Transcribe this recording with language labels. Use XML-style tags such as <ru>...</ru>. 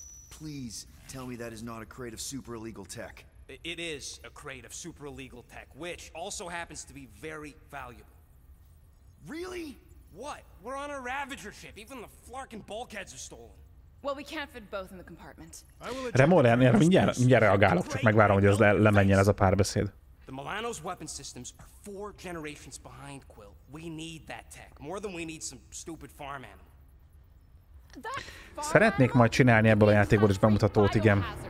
<en>Please, tell me that is not a crate of super illegal tech. It is a crate of super illegal tech, which also happens to be very valuable. Really? What? We're on a Ravager ship, even the Flarkin bulkheads are stolen. Well, we can't fit both in the compartment.</en> <hu>Remolyan, én mindjárt reagálok, csak megvárom, hogy ez lemenjen ez a párbeszéd.</hu> <en>The Milano's weapon systems are 4 generations behind, Quill. We need that tech, more than we need some stupid farm animal.</en> <hu>Szeretnék majd csinálni ebből a játékból is bemutatót, igen.</hu>